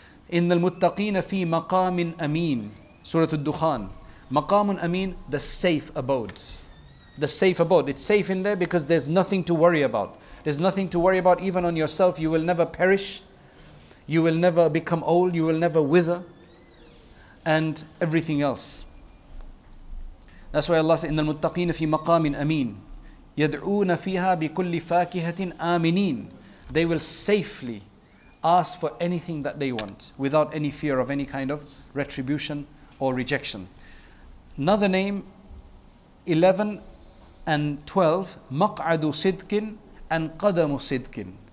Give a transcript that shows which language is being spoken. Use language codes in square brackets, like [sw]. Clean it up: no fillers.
[ar] Innal Muttaqeena fi Maqamin Ameen. Surah Al-Dukhan. [en] Maqamun Ameen, the safe abode. The safe abode. It's safe in there because there's nothing to worry about. There's nothing to worry about even on yourself. You will never perish. You will never become old. You will never wither. And everything else. That's why Allah said, [ar] إِنَّ الْمُتَّقِينَ فِي مَقَامٍ أَمِينَ يَدْعُونَ فِيهَا بِكُلِّ فَاكِهَةٍ آمِنِينَ. [en] They will safely ask for anything that they want without any fear of any kind of retribution or rejection. Another name, 11 and 12, مَقْعَدُ صِدْقٍ and قَدَمُ صِدْقٍ.